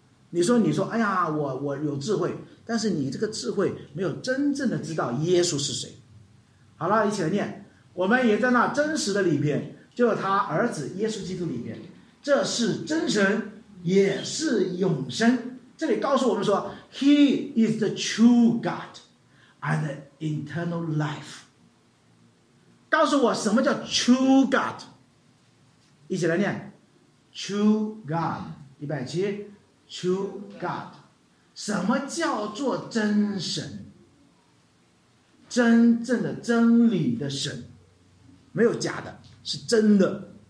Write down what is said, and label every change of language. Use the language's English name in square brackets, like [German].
[Chinese] 你说哎呀，我有智慧，但是你这个智慧没有真正的知道耶稣是谁。好了，一起来念，我们也在那真实的里边，就是他儿子耶稣基督里边，这是真神也是永生。这里告诉我们说 [English] He is the true God and eternal life。 [Chinese] 告诉我什么叫 true God， 一起来念 true God， 170True God， 什么叫做真神？真正的真理的神，没有假的，是真的。